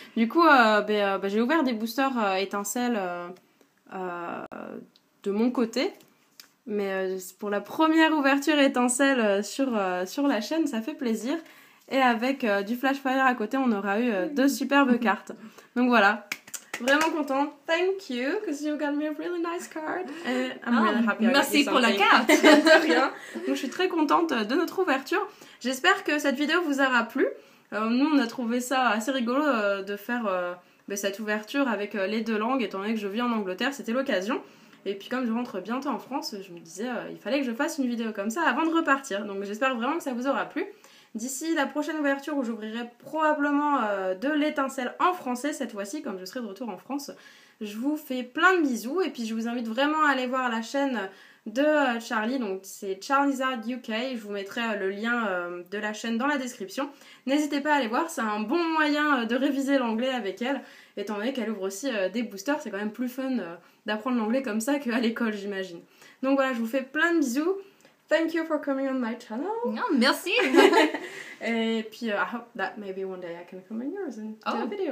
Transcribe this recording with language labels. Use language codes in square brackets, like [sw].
[fr] Du coup, j'ai ouvert des boosters étincelles de mon côté. Mais pour la première ouverture étincelle sur la chaîne, ça fait plaisir. Et avec du Flash Fire à côté, on aura eu deux superbes cartes. Donc voilà, vraiment content. [en] Thank you, because you got me a really nice card. And I'm really happy. [fr] Merci pour la carte. De rien. Donc je suis très contente de notre ouverture. J'espère que cette vidéo vous aura plu. Nous, on a trouvé ça assez rigolo de faire cette ouverture avec les deux langues, étant donné que je vis en Angleterre, c'était l'occasion. Et puis comme je rentre bientôt en France, je me disais, il fallait que je fasse une vidéo comme ça avant de repartir. Donc j'espère vraiment que ça vous aura plu. D'ici la prochaine ouverture où j'ouvrirai probablement de l'étincelle en français cette fois-ci, comme je serai de retour en France, je vous fais plein de bisous et puis je vous invite vraiment à aller voir la chaîne de Charlie, donc c'est Charlizard UK, je vous mettrai le lien de la chaîne dans la description. N'hésitez pas à aller voir, c'est un bon moyen de réviser l'anglais avec elle, étant donné qu'elle ouvre aussi des boosters, c'est quand même plus fun d'apprendre l'anglais comme ça qu'à l'école j'imagine. Donc voilà, je vous fais plein de bisous. [en] Thank you for coming on my channel. [fr] Non, merci. Et puis, [en] I hope that maybe one day I can come on yours and do a video.